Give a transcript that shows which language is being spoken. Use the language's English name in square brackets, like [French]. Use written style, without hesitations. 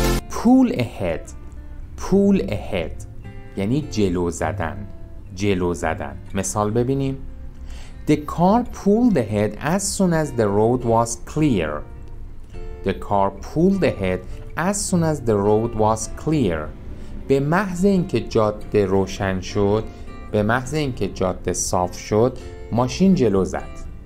[Persian] پول اهد، پول اهد یعنی جلو زدن، جلو زدن. مثال ببینیم. [English] The car pulled ahead as soon as the road was clear. The car pulled ahead as soon as the road was clear. [Persian] به محض اینکه جاده روشن شد، به محض اینکه جاده صاف شد، ماشین جلو زد.